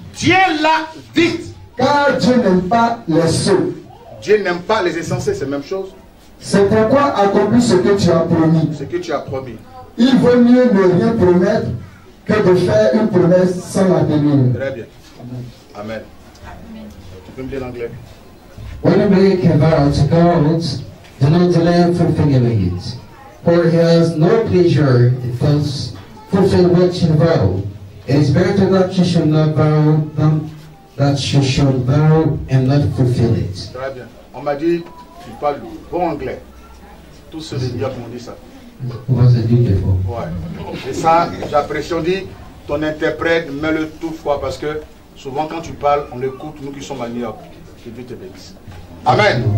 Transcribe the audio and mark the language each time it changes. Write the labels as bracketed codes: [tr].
[fr] Tiens-la vite. Car Dieu n'aime pas les sots. Dieu n'aime pas les insensés, c'est la même chose. C'est pourquoi accomplis ce que tu as promis. Ce que tu as promis. Il vaut mieux ne rien promettre que de faire une promesse sans la tenir. Très bien. Amen. Amen. Tu peux me dire l'anglais. [en] When a man can vow to God, do not delay in fulfilling it. For he has no pleasure in fulfilling what you vow. It is better that you should not vow than that you should vow and not fulfill it. [fr] Très bien. On m'a dit, tu parles le bon anglais. Tous ceux qui m'ont dit ça. Ouais. Et ça, j'apprécie, on dit, ton interprète, mets-le tout froid, parce que souvent quand tu parles, on écoute, nous qui sommes à New York. Que Dieu te bénisse. Amen.